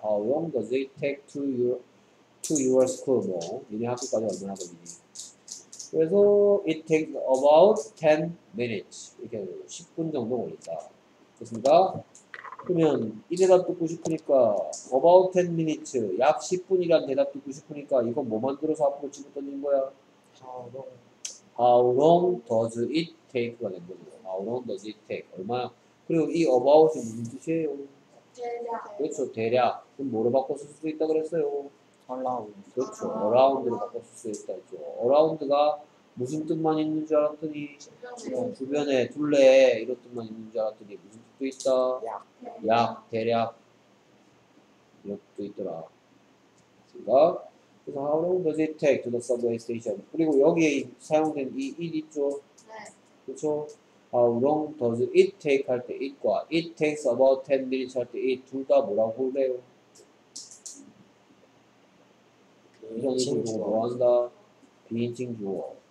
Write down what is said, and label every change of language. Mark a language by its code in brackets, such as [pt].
[en] How long does it take to your school? [ko] 뭐, 니네 학교까지 얼마나 걸리니? [en] 그래서 it takes about 10 minutes. [ko] 이렇게 10분 정도 걸린다. 됐습니다. 그러면 이 대답 듣고 싶으니까 [en] about 10 minutes, [ko] 약 10분이란 대답 듣고 싶으니까 이거 뭐 만들어서 앞으로 집어던진 거야? [en] How long does it take [ko] 가 된 거죠. [en] How long does it take? [ko] 얼마나? 그리고 이 about이 무슨 뜻이에요? 대략. 그렇죠. 대략. 그럼 뭐로 바꿨을 수도 있다 그랬어요? [en] Around. [ko] 그렇죠. Around로 바꿨을 수도 있다 했죠. Around가 무슨 뜻만 있는 줄 알았더니 주변에 둘레에 이런 뜻만 있는 줄 알았더니 무슨 뜻도 있다? 약, 대략 이런 뜻도 있더라. 그렇습니까? 그래서 [en] how long does it take to the subway station? [ko] 그리고 여기에 사용된 이 it 있죠? 네. 그렇죠? [en] How long does it take [ko] 할 때 it과 [en] it takes about 10 minutes [ko] 할 때 it 둘 다 뭐라고 부르래요? 비인칭 주어 뭐한다? 비인칭 주어.